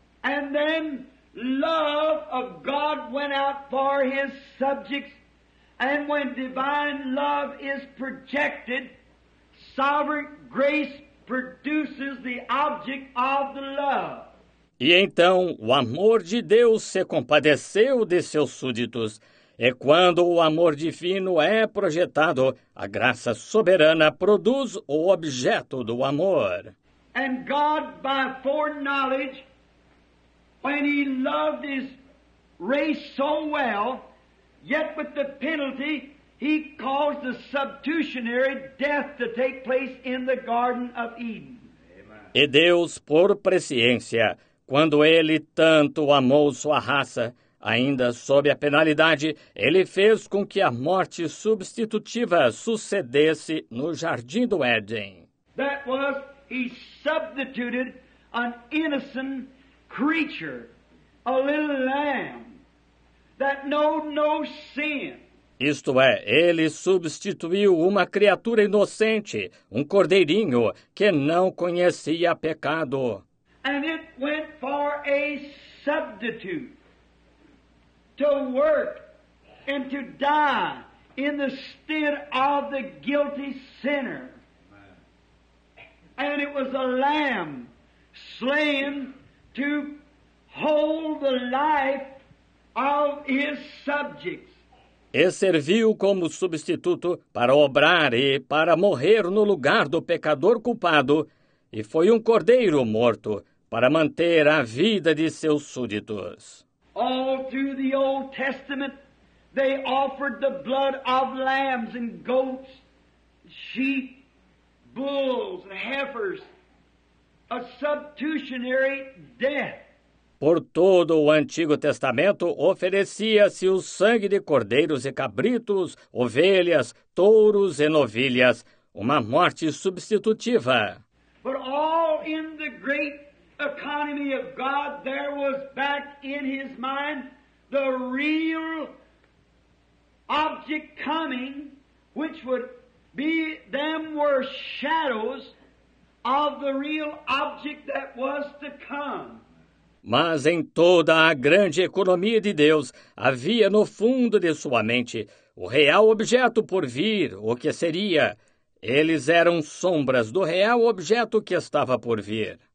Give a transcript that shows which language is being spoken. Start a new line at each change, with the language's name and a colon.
English: And then love of God went out for his subjects, and when divine love is projected, sovereign grace produces the object of the love.
Portuguese: E então o amor de Deus se compadeceu de seus súditos. E quando o amor divino é projetado, a graça soberana produz o objeto do amor.
English: And God, by foreknowledge, when he loved his race so well, yet with the penalty, he caused the substitutionary death to take place in the Garden of Eden.
Portuguese: E Deus, por presciência, quando ele tanto amou sua raça, ainda sob a penalidade, ele fez com que a morte substitutiva sucedesse no Jardim do Éden.
English: That was, he substituted an innocent creature, a little lamb, that knew no sin.
Portuguese: Isto é, ele substituiu uma criatura inocente, um cordeirinho, que não conhecia pecado.
English: And it went for a substitute to work and to die in the stead of the guilty sinner. And it was a lamb slain to hold the life of his subjects.
Portuguese: E serviu como substituto para obrar e para morrer no lugar do pecador culpado, e foi um cordeiro morto para manter a vida de seus súditos.
English: All through the Old Testament, they offered the blood of lambs and goats, sheep, bulls and heifers, a substitutionary death.
Portuguese: Por todo o Antigo Testamento, oferecia-se o sangue de cordeiros e cabritos, ovelhas, touros e novilhas, uma morte substitutiva.
English: But all in the great economy of God, there was back in his mind the real object coming, which would be them were shadows of the real object that was to come.
Portuguese: Mas em toda a grande economia de Deus, havia no fundo de sua mente o real objeto por vir, o que seria. Eles eram sombras do real objeto que estava por vir.